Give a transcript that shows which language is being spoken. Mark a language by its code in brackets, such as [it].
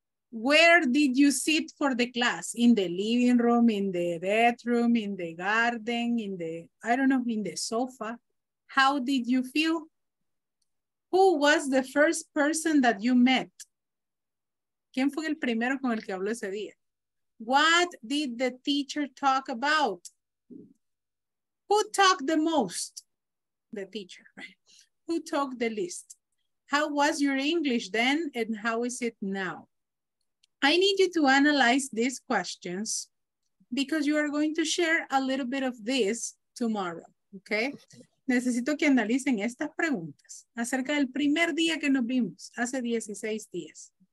[en] Where did you sit for the class? In the living room, in the bedroom, in the garden, in the sofa? How did you feel? Who was the first person that you met? [es] ¿Quién fue el primero con el que habló ese día? [en] What did the teacher talk about? Who talked the most? The teacher, right? Who talked the least? How was your English then and how is it now? I need you to analyze these questions because you are going to share a little bit of this tomorrow, okay? [es] Necesito que analicen estas preguntas acerca del primer día que nos vimos, hace 16 días.